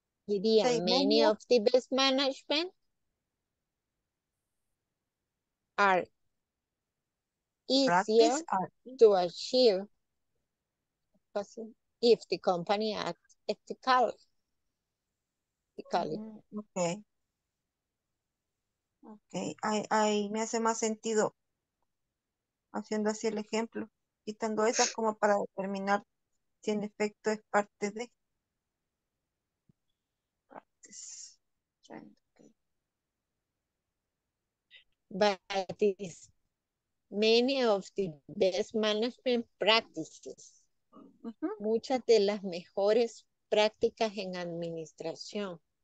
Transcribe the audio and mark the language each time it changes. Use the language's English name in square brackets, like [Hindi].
[Spanish] diría [English] many of the best management are easier to achieve if the company acts ethically. Okay. Okay. [Spanish] I me hace más sentido haciendo así el ejemplo, quitando esas como para determinar si en efecto es parte de [English] practice. Okay. But it's many of the best management practices. [Spanish] Muchas de las mejores prácticas en administración.